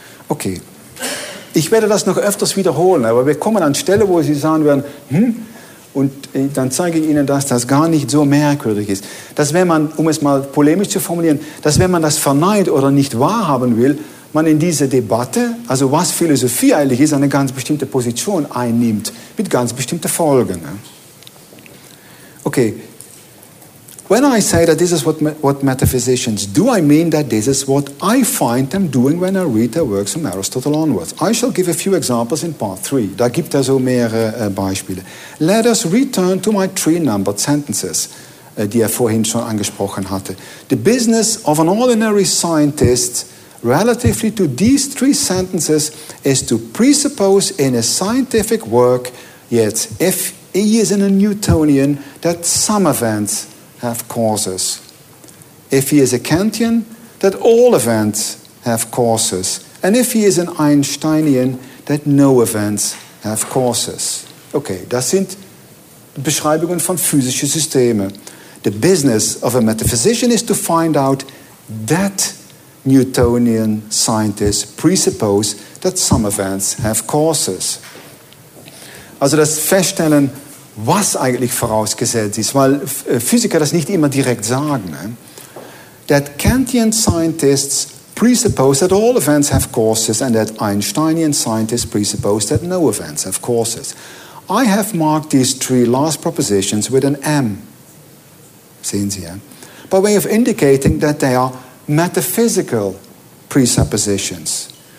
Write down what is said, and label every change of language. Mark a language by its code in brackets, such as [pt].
[de] Okay, ich werde das noch öfters wiederholen, aber wir kommen an Stelle, wo Sie sagen werden, und dann zeige ich Ihnen, dass das gar nicht so merkwürdig ist. Dass wenn man, um es mal polemisch zu formulieren, dass wenn man das verneint oder nicht wahrhaben will, man in diese Debatte, also was Philosophie eigentlich ist, eine ganz bestimmte Position einnimmt, mit ganz bestimmten Folgen. [en] Okay, when I say that this is what metaphysicians do, I mean that this is what I find them doing when I read their works from Aristotle onwards. I shall give a few examples in part 3. [de] Da gibt es so mehrere Beispiele. [en] Let us return to my three-numbered sentences, [de] die er vorhin schon angesprochen hatte. [en] The business of an ordinary scientist relatively to these three sentences is to presuppose in a scientific work, yet if he is in a Newtonian, that some events have causes. If he is a Kantian, that all events have causes. And if he is an Einsteinian, that no events have causes. [de] Okay, das sind Beschreibungen von physischen Systemen. [en] The business of a metaphysician is to find out that Newtonian scientists presuppose that some events have causes. [de] Also das Feststellen, was eigentlich vorausgesetzt ist, weil Physiker das nicht immer direkt sagen. [en] That Kantian scientists presuppose that all events have causes and that Einsteinian scientists presuppose that no events have causes. I have marked these three last propositions with an M. [de] Sehen Sie, ja? [en] By way of indicating that they are metaphysical presuppositions.